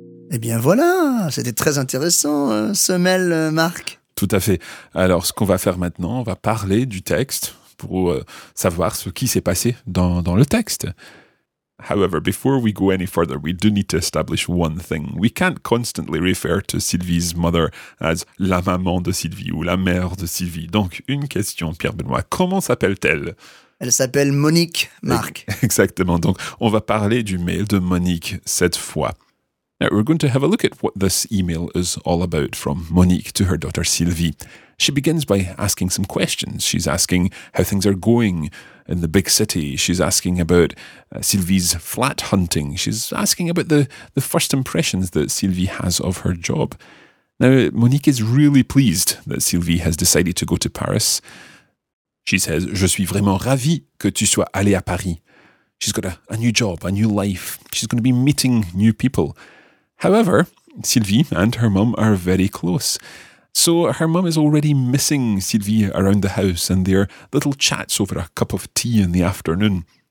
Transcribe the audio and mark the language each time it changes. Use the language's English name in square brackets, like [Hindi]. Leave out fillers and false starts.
[French] Eh bien voilà, c'était très intéressant, Marc. Tout à fait. Alors, ce qu'on va faire maintenant, on va parler du texte pour savoir ce qui s'est passé dans le texte. [English] However, before we go any further, we do need to establish one thing. We can't constantly refer to Sylvie's mother as [French] la maman de Sylvie [English] ou la mère de Sylvie. [French] Donc, une question, Pierre-Benoît, comment s'appelle-t-elle? Elle s'appelle Monique, Marc. Exactement. Donc, on va parler du mail de Monique cette fois. [English] Now, we're going to have a look at what this email is all about from Monique to her daughter Sylvie. She begins by asking some questions. She's asking how things are going in the big city. She's asking about Sylvie's flat hunting. She's asking about the first impressions that Sylvie has of her job. Now, Monique is really pleased that Sylvie has decided to go to Paris. She says, [French] "Je suis vraiment ravie que tu sois allée à Paris." [English] She's got a new job, a new life. She's going to be meeting new people. However, Sylvie and her mum are very close. So her mum is already missing Sylvie around the house and their little chats over a cup of tea in the afternoon.